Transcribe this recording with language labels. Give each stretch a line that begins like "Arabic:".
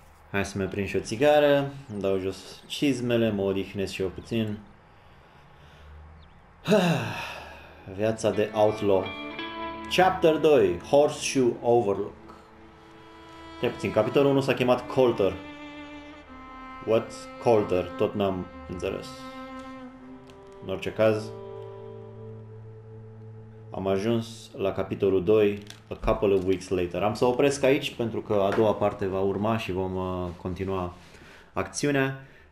Romanian: Hai să mai prind și o țigară, îmi dau jos cizmele, mă odihnesc și eu puțin. Viața de outlaw.
English: Chapter 2, Horseshoe Overlook.
Romanian: Ia puțin, capitolul 1 s-a chemat Coulter.
English: What's Coulter?
Romanian: Tot n-am înțeles. În orice caz, am ajuns la capitolul 2,
English: a couple of weeks later.
Romanian: Am să opresc aici pentru că a doua parte va urma și vom continua acțiunea.